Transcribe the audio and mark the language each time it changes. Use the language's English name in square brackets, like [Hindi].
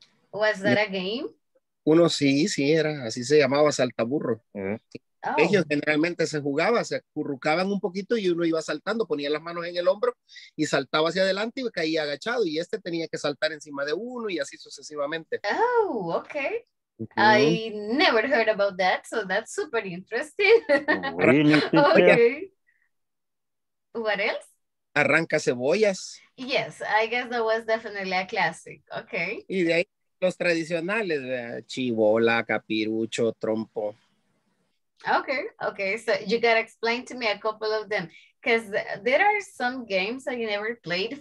[English] Was that a game? [Spanish] Uno sí, era así se llamaba saltaburro. Ellos generalmente se jugaba, se acurrucaban un poquito y uno iba saltando, ponía las manos en el hombro y saltaba hacia adelante y caía agachado y este tenía que saltar encima de uno y así sucesivamente. [English] Oh, okay. Mm-hmm. I never heard about that, so that's super interesting. Okay. What else? [Spanish] Arranca cebollas. [English] Yes, I guess that was definitely a classic. Okay. [Spanish] Y de ahí los tradicionales, chibola, capirucho, trompo. [English] Okay. So you got to explain to me a couple of them because there are some games that you never played.